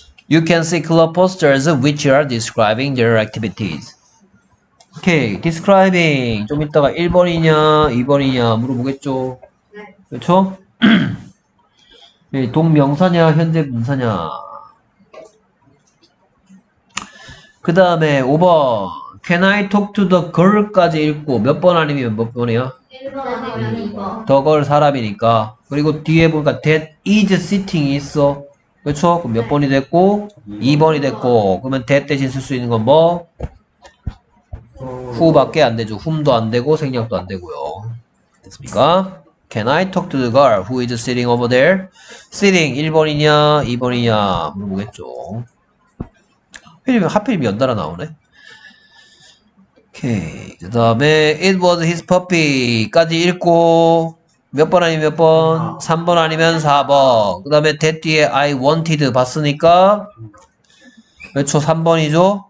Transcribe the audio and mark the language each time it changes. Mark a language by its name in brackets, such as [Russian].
[English] You can see club posters which are describing their activities. [Korean] 오케이. Describing. 좀 이따가 1번이냐 2번이냐 물어보겠죠? 네. 그렇죠? 동명사냐 현재 분사냐. 그 다음에 5번 [English] Can I talk to the girl [Korean] 까지 읽고 몇 번 아니면 몇 번이야? 1번 The girl 사람이니까. 그리고 뒤에 보니까 [English] That is sitting [Korean] 있어. 그렇죠? 그럼 몇 번이 됐고? 2번이 됐고. 그러면 That 대신 쓸 수 있는 건 뭐? Who 밖에 안 되죠. Whom도 안 되고 생략도 안 되고요. 됐습니까? [English] Can I talk to the girl who is sitting over there? [Korean] Sitting 1번이냐 2번이냐 물어보겠죠. 하필이면 연달아 나오네. 오케이. 그 다음에 [English] It was his puppy [Korean] 까지 읽고 몇 번 아니면 몇 번? 3번 아니면 4번. 그 다음에 that 뒤에 I wanted 봤으니까 그렇죠. 3번이죠.